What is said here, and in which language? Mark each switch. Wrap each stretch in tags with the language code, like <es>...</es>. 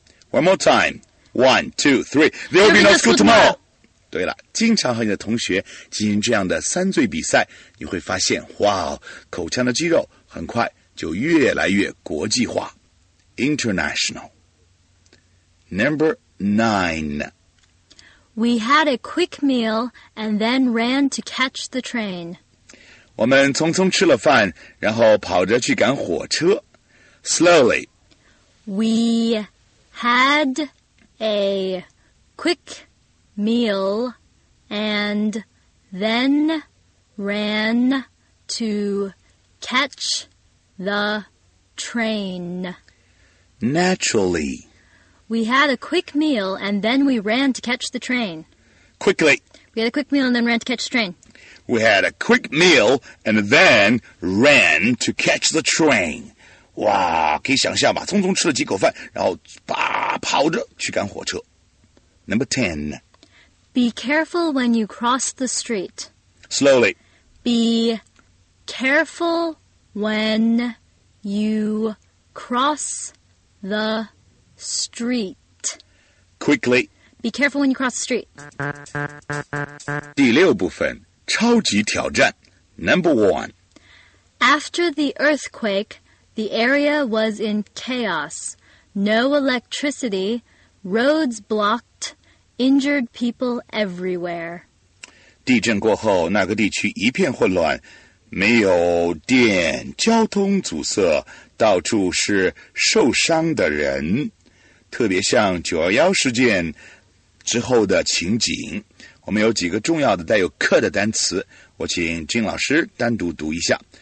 <en>One more time. One, two, three. There will be no school tomorrow.</en> <zh>对了，经常和你的同学进行这样的三醉比赛，你会发现，哇，口腔的肌肉很快就越来越国际化。</zh> <en>International. Number nine. We had a quick meal and then ran to catch the train.</en> <zh>我们匆匆吃了饭，然后跑着去赶火车。</zh> <en>Slowly. We had a quick meal and then ran to catch the train. Naturally. We had a quick meal, and then we ran to catch the train. Quickly. We had a quick meal, and then ran to catch the train. We had a quick meal, and then ran to catch the train.</en> <zh>哇，可以想象吧，匆匆吃了几口饭，然后吧，跑着去赶火车。</zh> <en>Number 10. Be careful when you cross the street. Slowly. Be careful when you cross the street. Quickly. Be careful when you cross the street.</en> <zh>第六部分，超级挑战</zh> <en>Number one. After the earthquake, the area was in chaos. No electricity, Roads blocked, injured people everywhere.</en> <zh>地震过后，那个地区一片混乱，没有电，交通阻塞，到处是受伤的人。特别像911事件之后的情景，我们有几个重要的带有克的单词，我请金老师单独读一下。</zh>